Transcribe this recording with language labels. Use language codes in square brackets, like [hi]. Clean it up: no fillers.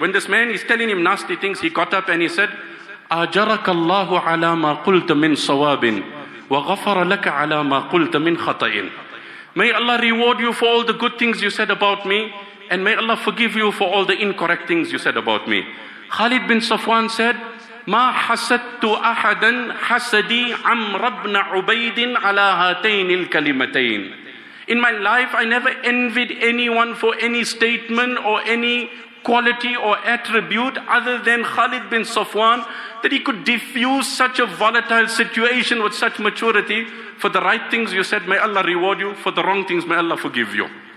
[en] When this man is telling him nasty things, he got up and he said, [ar] أَجَرَكَ اللَّهُ عَلَى مَا قُلْتَ مِنْ صَوَابٍ وَغَفَرَ لَكَ عَلَى مَا قُلْتَ مِنْ خَطَئٍ. [en] May Allah reward you for all the good things you said about me, and may Allah forgive you for all the incorrect things you said about me. Khalid bin Safwan said, [ar] مَا حَسَدْتُ أَحَدًا حَسَدِي عَمْرَ بْنَ عُبَيْدٍ عَلَى هَاتَيْنِ الْكَلِمَتَيْنِ. [en] In my life, I never envied anyone for any statement or any quality or attribute other than Khalid bin Safwan, that he could diffuse such a volatile situation with such maturity. For the right things you said, may Allah reward you. For the wrong things, may Allah forgive you.